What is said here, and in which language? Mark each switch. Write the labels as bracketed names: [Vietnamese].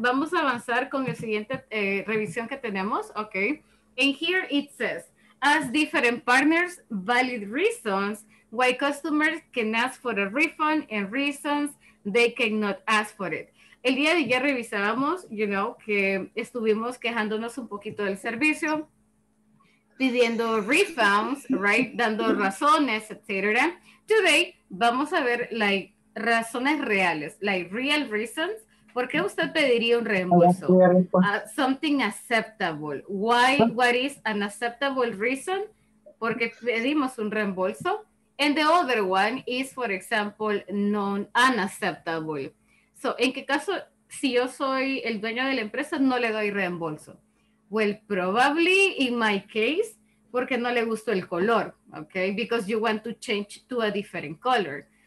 [Spanish] Vamos a avanzar con el siguiente revisión que tenemos. [English] Okay. And here it says, as different partners, valid reasons why customers can ask for a refund and reasons they cannot ask for it. [Spanish] El día de ayer revisábamos, you know, que estuvimos quejándonos un poquito del servicio, pidiendo refunds, right, dando razones, etc. Today, vamos a ver, like, razones reales, like, [English] real reasons. [Spanish] ¿Por qué usted pediría un reembolso? [English] Something acceptable. Why, what is an acceptable reason? [Spanish] Porque pedimos un reembolso. [English] And the other one is, for example, unacceptable. [Spanish] So, ¿en qué caso, si yo soy el dueño de la empresa, no le doy reembolso? [English] Well, probably in my case, [Spanish] porque no le gustó el color, [English] okay? Because you want to change to a different color.